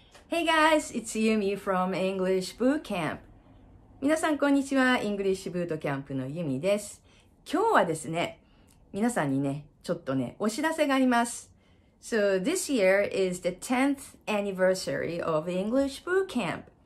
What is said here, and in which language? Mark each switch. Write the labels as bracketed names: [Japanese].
[English] Hey guys, it's Yumi from English Boot Camp. [Japanese] 皆さんこんにちは。English Boot Camp の Yumi です。今日はですね、皆さんにね、ちょっとね、お知らせがあります。 [English] So this year is the 10th anniversary of English Boot Camp.